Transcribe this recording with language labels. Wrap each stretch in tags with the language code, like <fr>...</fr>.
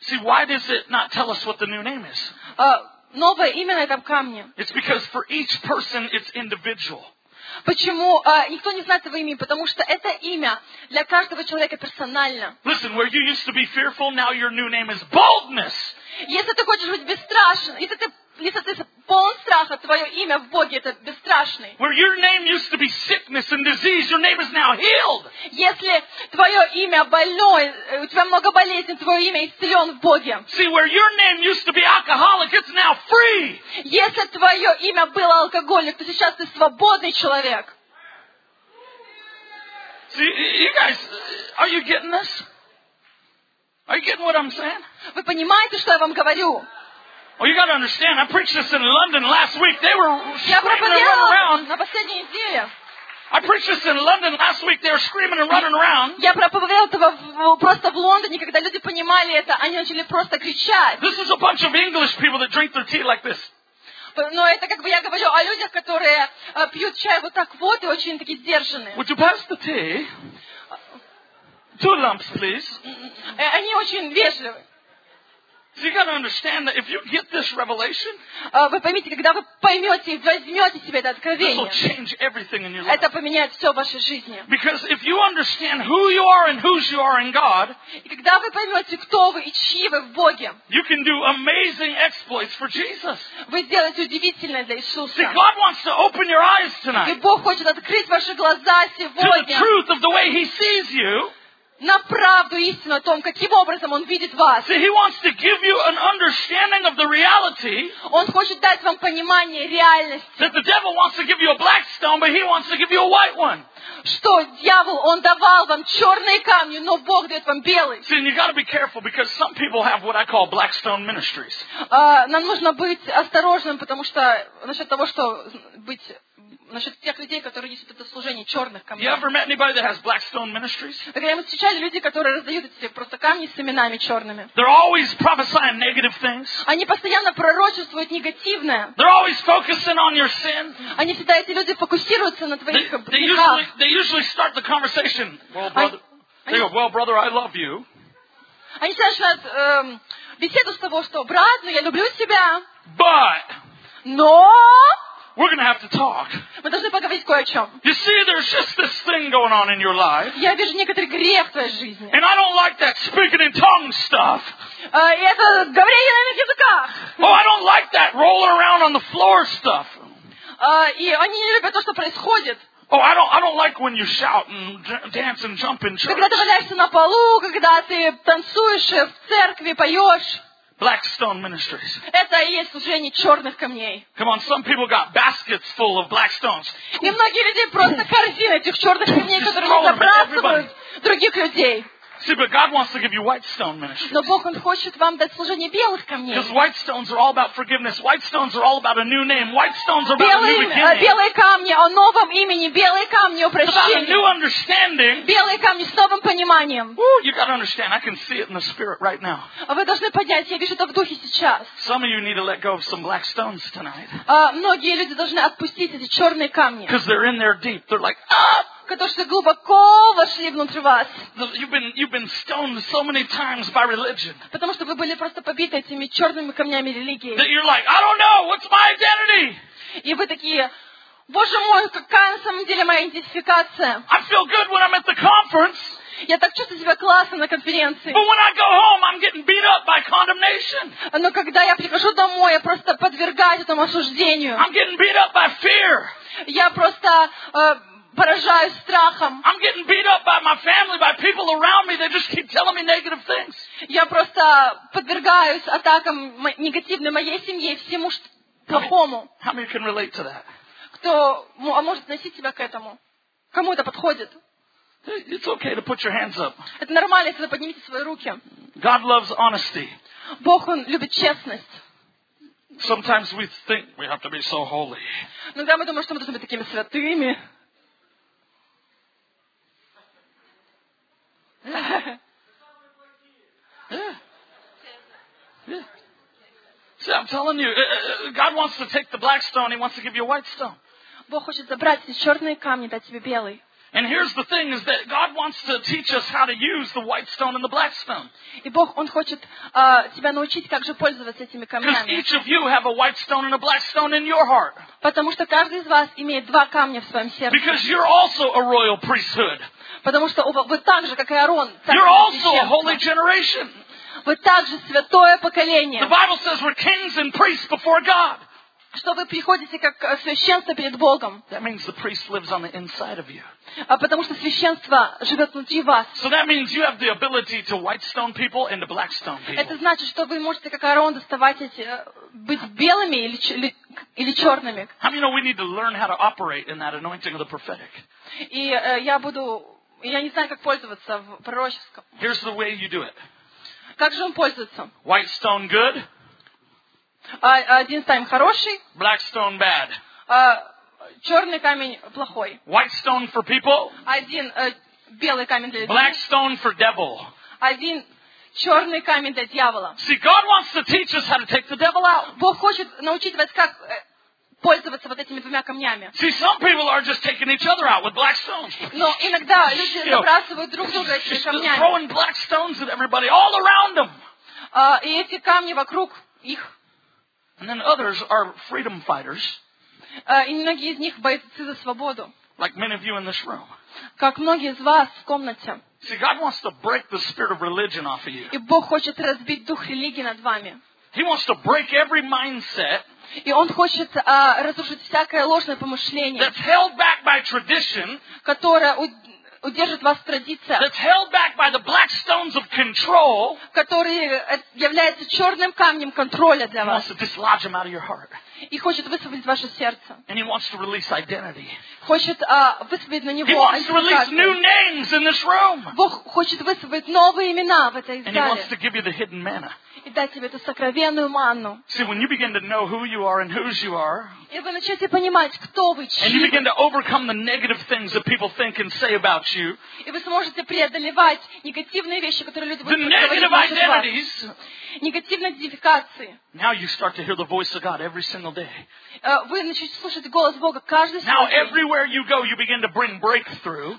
<en>See, why does it not tell us what the new name is?</en> <ru>Новое имя на этом камне.</ru> <en>It's because for each person it's individual.</en> <ru>почему никто не знает его имя, потому что это имя для каждого человека персонально.</ru> <en>Listen, where you used to be fearful, now your new name is boldness.</en> <ru>Если ты хочешь быть бесстрашен, если ты полон страха, твое имя в Боге это бесстрашный.</ru> <en>Where your name used to be sickness and disease, your name is now healed.</en> <ru>Если твое имя больной, у тебя много болезней, твое имя исцелен в Боге.</ru> <en>See, where your name used to be alcoholic, it's now free.</en> <ru>Если твое имя было алкоголик, то сейчас ты свободный человек.</ru> <en>See, you guys, are you getting this? Are you getting what I'm saying?</en> <ru>Вы понимаете, что я вам говорю?</ru> <en>Oh, you got to understand. I preached this in London last week. They were screaming and running around.</en> <ru>На последней неделе.</ru> <en>I preached this in London last week. They were screaming and running around.</en> <ru>Я проповедовал этого просто в Лондоне, когда люди понимали это, они начали просто кричать.</ru> <en>This is a bunch of English people that drink their tea like this.</en> <ru>Но это как бы я говорю о людях, которые пьют чай вот так вот и очень такие сдержанные.</ru> <en>Would you pass the tea? Two lumps, please.</en> <ru>Они очень вежливы.</ru> <en>So you got to understand that if you get this revelation,</en> <ru>вы поймите, когда вы поймете и возьмете себе это откровение,</ru> <en>this will change everything in your life.</en> <ru>Это поменяет все в вашей жизни.</ru> <en>Because if you understand who you are and whose you are in God,</en> <ru>и когда вы поймете, кто вы и чьи вы в Боге,</ru> <en>you can do amazing exploits for Jesus.</en> <ru>Вы сделаете удивительное для Иисуса.</ru> <en>See, God wants to open your eyes tonight.</en> <ru>И Бог хочет открыть ваши глаза сегодня.</ru> <en>To the truth of the way He sees you.</en> <ru>На правду, истину о том, каким образом Он видит вас.</ru> <en>See, He wants to give you an understanding of the reality.</en> <ru>Он хочет дать вам понимание реальности.</ru> <en>That the devil wants to give you a black stone, but He wants to give you a white one.</en> <ru>Что дьявол, он давал вам черные камни, но Бог дает вам белый.</ru> <en>See, and you got to be careful because some people have what I call black stone ministries.</en> <ru>Нам нужно быть осторожным, потому что насчет того, что быть насчет тех людей, которые несут это служение черных камней.</ru> <en>You ever met anybody that has black stone ministries?</en> <ru>Вы когда-нибудь встречали люди, которые раздают эти просто камни с именами черными?</ru> <en>They're always prophesying negative things.</en> <ru>Они постоянно пророчествуют негативное.</ru> <en>They're always focusing on your sin.</en> <ru>Они всегда, эти люди, фокусируются на твоих грехах.</ru> <en>They usually start the conversation, well, brother, I love you.</en> <ru>Они всегда начинают беседу с того, что, брат, ну я люблю тебя.</ru> <en>But.</en> <ru>Но.</ru> <en>We're going to have to talk.</en> <ru>Мы должны поговорить кое о чем.</ru> <en>You see, there's just this thing going on in your life.</en> <ru>Я вижу некоторый грех в твоей жизни.</ru> <en>And I don't like that speaking in tongues stuff.</en> <ru>И это говорение на иных языках.</ru> <en>Oh, I don't like that rolling around on the floor stuff.</en> <ru>И они не любят то, что происходит.</ru> <en>Oh, I don't like when you shout and dance and jump in church.</en> <ru>Когда ты валяешься на полу, когда ты танцуешь в церкви, поешь.</ru> <en>Black stone ministries.</en> <ru>Это и есть служение черных камней.</ru> <en>Come on, some people got baskets full of black stones.</en> <ru>И многие люди просто корзины этих черных камней, которые забрасывают других людей.</ru> <en>See, but God wants to give you white stone ministries.</en> <ru>Но Бог, Он хочет вам дать служение белых камней.</ru> <en>Because white stones are all about forgiveness. White stones are all about a new name. White stones are about a new beginning.</en> <ru>Белые камни о новом имени. Белые камни о прощении.</ru> <en>About a new understanding.</en> <ru>Белые камни с новым пониманием.</ru> <en>Ooh, you got to understand. I can see it in the spirit right now.</en> <ru>Вы должны понять, я вижу это в духе сейчас.</ru> <en>Some of you need to let go of some black stones tonight.</en> <ru>Многие люди должны отпустить эти черные камни.</ru> <en>Because they're in there deep. They're like,</en> <ru>потому что глубоко вошли внутрь вас.</ru> <en>You've been stoned so many times by religion.</en> <ru>Потому что вы были просто побиты этими черными камнями религии.</ru> <en>That you're like, I don't know, what's my identity?</en> <ru>И вы такие, Боже мой, какая на самом деле моя идентификация?</ru> <en>I feel good when I'm at the conference.</en> <ru>Я так чувствую себя классно на конференции.</ru> <en>But when I go home, I'm getting beat up by condemnation.</en> <ru>Но когда я прихожу домой, я просто подвергаюсь этому осуждению.</ru> <en>I'm getting beat up by fear.</en> <ru>Я просто поражаюсь страхом.</ru> <en>I'm getting beat up by my family, by people around me. They just keep telling me negative things.</en> <ru>Я просто подвергаюсь атакам негативным моей семьи, всему плохому.</ru> <en>How many can relate to that?</en> <ru>Кто может относить себя к этому? Кому это подходит?</ru> <en>It's okay to put your hands up.</en> <ru>Это нормально, если вы поднимете свои руки.</ru> <en>God loves honesty.</en> <ru>Бог, Он любит честность.</ru> <en>Sometimes we think we have to be so holy.</en> <ru>Иногда мы думаем, что мы должны быть такими святыми.</ru> <en>See, I'm telling you, God wants to take the black stone, He wants to give you a white stone.</en> <ru>Бог хочет забрать эти черные камни, дать тебе белый.</ru> <en>And here's the thing, is that God wants to teach us how to use the white stone and the black stone.</en> <ru>И Бог, Он хочет тебя научить, как же пользоваться этими камнями.</ru> <en>Because each of you have a white stone and a black stone in your heart.</en> <ru>Потому что каждый из вас имеет два камня в своем сердце.</ru> <en>Because you're also a royal priesthood.</en> <ru>Потому что вы так же, как и Аарон.</ru> <en>You're also a holy generation.</en> <ru>Вы также святое поколение.</ru> <en>The Bible says we're kings and priests before God.</en> <ru>Что вы приходите как священство перед Богом.</ru> <en>That means the priest lives on the inside of you.</en> <ru>Потому что священство живет внутри вас.</ru> <en>So that means you have the ability to white stone people and to black stone people.</en> <ru>Это значит, что вы можете как Аарон доставать эти быть белыми или черными.</ru> <en>How many know we need to learn how to operate in that anointing of the prophetic?</en> <ru>И я буду, я не знаю, как пользоваться в пророческом.</ru> <en>Here's the way you do it.</en> <ru>Как же он пользуется?</ru> <en>White stone good.</en> <ru>Один камень хороший.</ru> <en>Black stone bad.</en> <ru>Черный камень плохой.</ru> <en>White stone for people.</en> <ru>Один белый камень для людей.</ru> <en>Black stone for devil.</en> <ru>Один черный камень для дьявола.</ru> <en>See, God wants to teach us how to take the devil out.</en> <ru>Бог хочет научить вас, как пользоваться вот этими двумя камнями.</ru> <en>See, some people are just taking each other out with black stones.</en> <ru>Но иногда люди забрасывают друг друга этими камнями.</ru> <en>Just throwing black stones at everybody all around them.</en> <ru>И эти камни вокруг их.</ru> <en>And then others are freedom fighters.</en> <ru>И многие из них бойцы за свободу.</ru> <en>Like many of you in this room.</en> <ru>Как многие из вас в комнате.</ru> <en>See, God wants to break the spirit of religion off of you.</en> <ru>И Бог хочет разбить дух религии над вами.</ru> <en>He wants to break every mindset.</en> <ru>И Он хочет разрушить всякое ложное помышление.</ru> <en>That's held back by tradition.</en> <ru>Которое удержит вас в традициях.</ru> <en>That's held back by the black stones of control.</en> <ru>Которые являются черным камнем контроля для вас.</ru> <en>He wants to dislodge them out of your heart.</en> <ru>И хочет высвободить ваше сердце.</ru> <en>And he wants to release identity.</en> <ru>Хочет высвободить на него.</ru> <en>He wants to release new names in this room.</en> <ru>Бог хочет высвободить новые имена в этой зале.</ru> <en>And he wants to give you the hidden manna.</en> <ru>И дать тебе эту сокровенную манну.</ru> <en>See, when you begin to know who you are and whose you are.</en> <ru>И вы начнете понимать, кто вы, чьи.</ru> <en>And you begin to overcome the negative things that people think and say about you.</en> <ru>И вы сможете преодолевать негативные вещи, которые люди будут говорить о вас.</ru> <en>The negative identities.</en> <ru>Негативные идентификации.</ru> <en>Now you start to hear the voice of God every single day.</en> <ru>Вы начнете слушать голос Бога каждый день.</ru> <en>Now everywhere you go, you begin to bring breakthrough.</en>